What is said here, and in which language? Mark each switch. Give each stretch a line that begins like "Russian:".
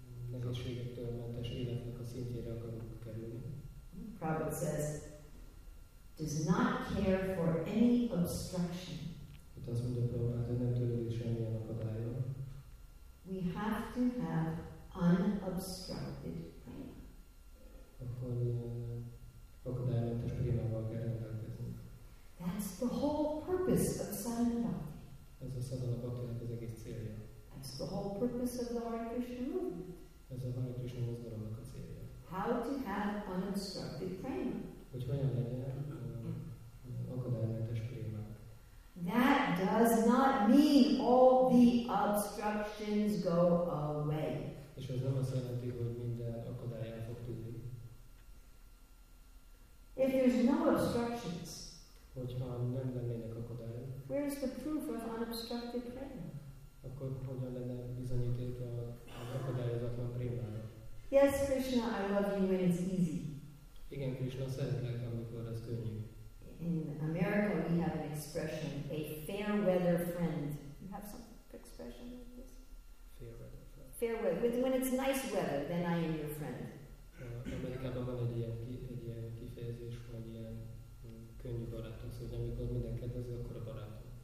Hungarian: nehézségektől mentes életnek a szintjére akarunk kerülni.
English: Prabhupada says, does not care for any obstruction.
Hungarian: Itt azt mondja Prabhupada, hogy nem törődik semmilyen akadályra.
English: We have to have unobstructed prema.
Hungarian: Akkor akadálymentes prémával kell rendelkezni.
English: That's the whole purpose of sadhana.
Hungarian: Ez a sadhana bhaktinak az egész célja.
English: That's the whole purpose of the Hare Krishna movement.
Hungarian: Ez a Hare Krishna mozgalomnak a célja.
English: How to have unobstructed prema.
Hungarian: Hogy hogyan legyen akadálymentes prema.
English: That does not mean all the obstructions go away.
Hungarian: És az nem azt jelenti, hogy minden akadály el fog tűnni.
English: If there's no obstructions,
Hungarian: hogyha nem lennének akadályok,
English: where is the proof of unobstructed prema?
Hungarian: Akkor hogyan lenne bizonyítéka az akadályozatlan prémának?
English: Yes, Krishna, I love you when it's easy.
Hungarian: Igen, Krishna, szeretlek, amikor ez könnyű.
English: In America, we have an expression, a fair weather friend. You have some expression like this? Fair weather friend. Fair weather. When it's nice weather, then I am your friend.
Hungarian: Amerikában van egy ilyen kifejezés, vagy ilyen könnyű barátok, szóval amikor minden kedvező, akkor a barátom.